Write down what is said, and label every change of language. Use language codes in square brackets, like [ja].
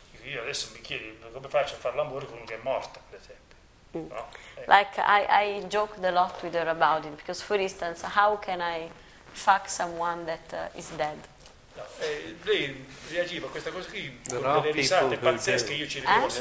[it] Io adesso mi chiedo come faccio a fare l'amore con uno che è morto, per esempio. [en] Like I joked a lot with her about it, because for instance, how can I fuck someone that is dead? [it] Lei reagiva a questa cosa qui con delle risate pazzesche, io ci rimosso.